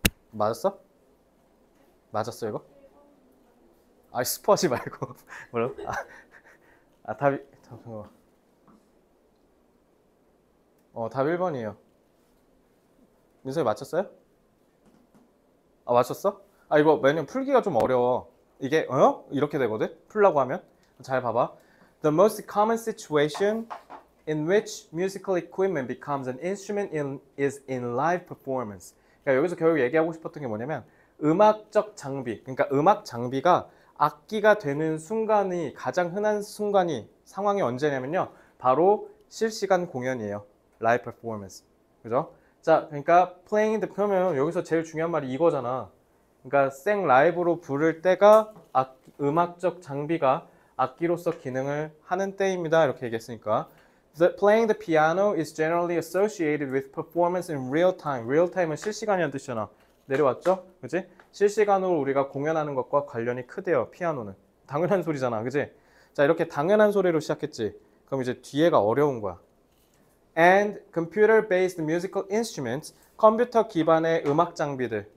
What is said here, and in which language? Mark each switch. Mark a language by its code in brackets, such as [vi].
[ko] 맞았어? 맞았어, 이거? 아, 스포하지 말고. 뭐라고? 아, 답이. 잠시만. 답 1번이에요. 민석이 맞췄어요? 아, 맞췄어? 아, 이거 왜냐면 풀기가 좀 어려워. 이게, 어? 이렇게 되거든? 풀라고 하면. 잘 봐봐. [en] The most common situation in which musical equipment becomes an instrument is in live performance. [ko] 그러니까 여기서 결국 얘기하고 싶었던 게 뭐냐면, 음악적 장비, 그러니까 음악 장비가 악기가 되는 순간이 가장 흔한 순간이, 상황이 언제냐면요. 바로 실시간 공연이에요. 라이브 퍼포먼스. 그죠? 자, 그러니까 [en] playing the, [ko] 그러면 여기서 제일 중요한 말이 이거잖아. 그러니까 생 라이브로 부를 때가 음악적 장비가 악기로서 기능을 하는 때입니다. 이렇게 얘기했으니까. [en] The playing the piano is generally associated with performance in real time. [ko] real time은 실시간이란 뜻이잖아. 내려왔죠? 그지? 실시간으로 우리가 공연하는 것과 관련이 크대요, 피아노는. 당연한 소리잖아. 그지? 자, 이렇게 당연한 소리로 시작했지. 그럼 이제 뒤에가 어려운 거야. [en] And computer-based musical instruments, [ko] 컴퓨터 기반의 음악 장비들.